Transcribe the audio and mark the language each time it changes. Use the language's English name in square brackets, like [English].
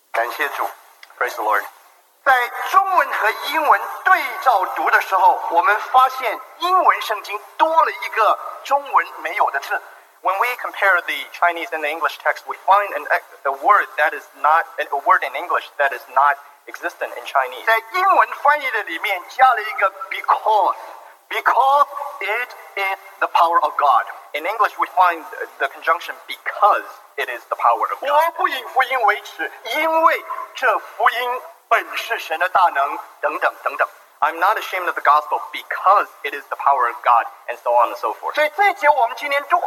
[Chinese] 要救一切相信的，先是犹太人，后是希利尼人，因为神的义正在这福音上显明出来。这义是本于信，以至于信。如今上所记的，一人必因信得生。我们感谢主。 [English] Praise the Lord. [Chinese] 在中文和英文对照读的时候，我们发现英文圣经多了一个中文没有的字。 [English] When we compare the Chinese and the English text, we find a word that is not existent in Chinese. [Chinese] 在英文翻译的里面加了一个 [English] because it is the power of God. In English, we find the conjunction because it is the power of God. [Chinese] 我不以福音为耻，因为这福音本是神的大能，等等等等。 [English] I'm not ashamed of the gospel because it is the power of God, and so on and so forth.